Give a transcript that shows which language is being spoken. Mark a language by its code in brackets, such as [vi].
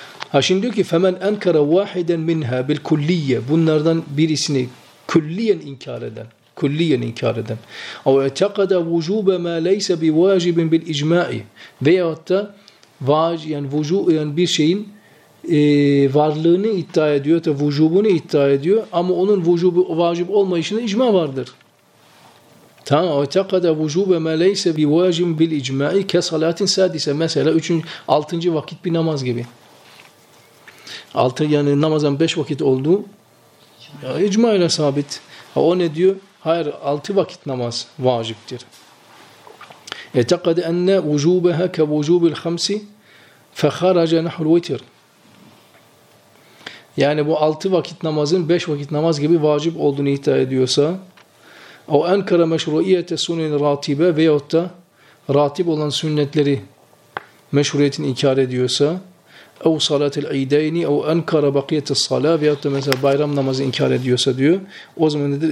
[tr] Ha şimdi diyor ki [ar] فَمَنْ اَنْكَرَ وَاحِدًا مِنْهَا بِالْكُلِّيَّ [tr] bunlardan birisini külliyen inkar eden, külliyen inkar eden [ar] اَوْ اَتَقَدَ وُجُوبَ مَا لَيْسَ بِوَاجِبٍ بِالْاِجْمَاءِ [tr] veyahut da vaci, yani vücub, yani bir şeyin varlığını iddia ediyor, da vücubunu iddia ediyor ama onun vücubu vacip olmayışında icma vardır. Tamam, [ar] اَتَقَدَ وُجُوبَ مَا لَيْسَ بِوَاجِبٍ بِالْاِجْمَاءِ كَسَلَاتٍ سَادِسَ [tr] mesela 6. vakit bir namaz gibi. Altı, yani namazın 5 vakit olduğu icma ile sabit. Ha, o ne diyor? Hayır, 6 vakit namaz vaciptir. [ar] اعتقد ان وجوبها كوجوب الخمس فخرج نحو الوتر. [tr] Yani bu 6 vakit namazın 5 vakit namaz gibi vacip olduğunu iddia ediyorsa o ankara meşruiyete sunen ratibe veyahut da ratip olan sünnetleri meşruiyetini inkar ediyorsa [ar] اَوْ صَلَاتِ الْعِيدَيْنِ اَوْ اَنْكَرَ بَقِيَةِ الصَّلَاةِ [tr] veyahut da mesela bayram namazı inkar ediyorsa diyor, o zaman nedir?